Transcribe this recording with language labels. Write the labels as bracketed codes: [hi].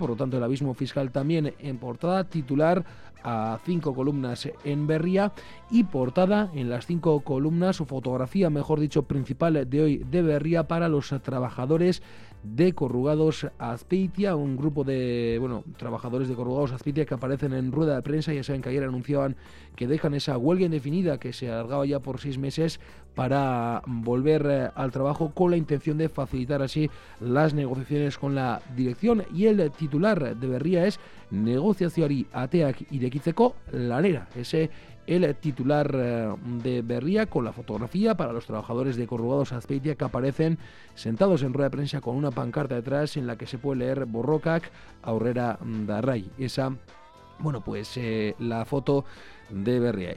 [es] Por lo tanto, el abismo fiscal también en portada, titular a cinco columnas en Berria, y portada en las cinco columnas, o fotografía, mejor dicho, principal de hoy de Berria, para los trabajadores de Corrugados Azpeitia, un grupo de, bueno, trabajadores de Corrugados Azpeitia que aparecen en rueda de prensa. Ya saben que ayer anunciaban que dejan esa huelga indefinida que se alargaba ya por 6 meses para volver al trabajo, con la intención de facilitar así las negociaciones con la dirección. Y el titular de Berria es: [eu] negoziazioari ateak irekitzeko lanera. [es] Ese el titular de Berria, con la fotografía para los trabajadores de Corrugados Azpeitia que aparecen sentados en rueda de prensa con una pancarta detrás en la que se puede leer: [eu] borrokak aurrera darrai. [es] Esa, bueno, pues la foto de Berria.